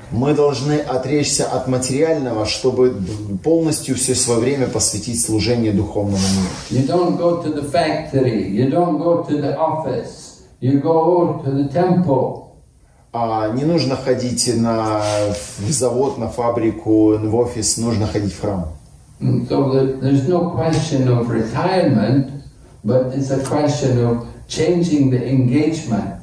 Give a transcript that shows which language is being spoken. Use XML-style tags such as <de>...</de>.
<ru>Мы должны отречься от материального, чтобы полностью все свое время посвятить служению духовному миру.</ru> <en>You don't go to the factory, you don't go to the office, you go to the temple.</en> <ru>Не нужно ходить на завод, на фабрику, в офис, нужно ходить в храм.</ru> <en>So there's no question of retirement, but it's a question of changing the engagement.</en>